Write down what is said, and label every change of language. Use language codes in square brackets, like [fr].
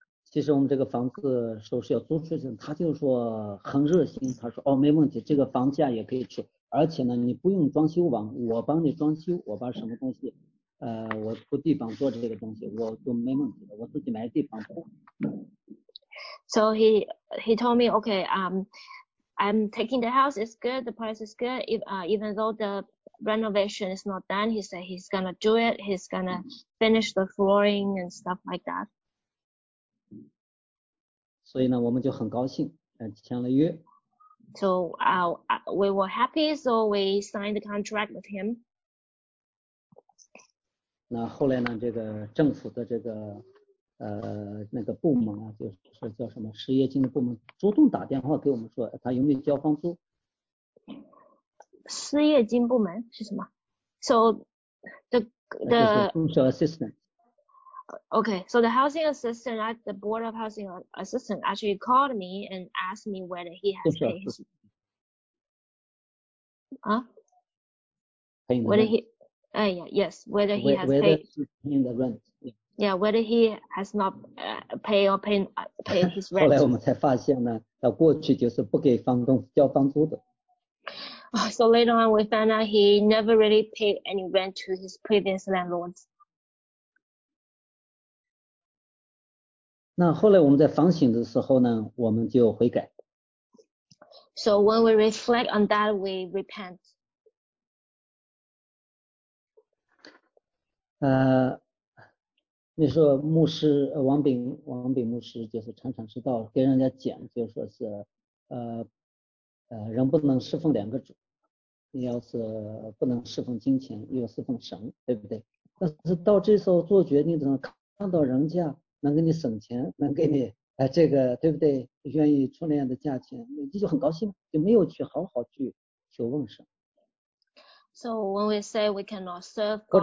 [zh] 其实我们这个房子说是要租出去，他就说很热心，他说哦没问题，这个房价也可以出，而且呢你不用装修网，我帮你装修，我把什么东西，我铺地板做这个东西，我都没问题的，我自己买地板铺。 [en] So he told me, okay, I'm taking the house, it's good, the price is good, even though the renovation is not done, he said he's gonna do it, he's gonna finish the flooring and stuff like that. [zh] 所以呢我们就很高兴，签了约。 [en] So we were happy, so we signed the contract with him. [zh] 那后来呢这个政府的这个那个部门啊，就是叫什么失业金的部门，主动打电话给我们说，他有没有交房租？失业金部门是什么 ？ [en] So the social assistant. Okay, so the housing assistant at the board of housing assistant actually called me and asked me whether he has paid. 啊 ？Whether he has paid the rent. Yeah, whether he has not paid his rent. [zh] 后来我们才发现呢，他过去就是不给房东交房租的。 [en] So later on, we found out he never really paid any rent to his previous landlords. [zh] 那后来我们在反省的时候呢，我们就悔改。 [en] So when we reflect on that, we repent. [zh] 你说牧师王炳牧师就是常常知道跟人家讲，就是说是人不能侍奉两个主，你要是不能侍奉金钱，又侍奉神，对不对？但是到这时候做决定的时候，看到人家能给你省钱，能给你这个，对不对？愿意出那样的价钱，你就很高兴，就没有去好好去求问神。 [en] So when we say we cannot serve God,